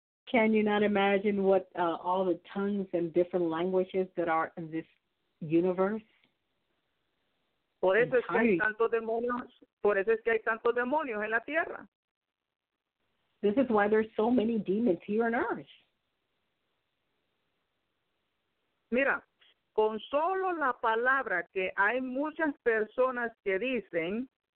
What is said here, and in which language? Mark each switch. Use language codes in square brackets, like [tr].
[en] Can you not imagine what all the tongues and different languages that are in this universe? [es] Por eso es que hay tantos demonios. Por eso es que hay tantos demonios en la Tierra. [en] This is why there's so many demons here on Earth. [es] Mira, con solo la palabra que hay muchas personas que dicen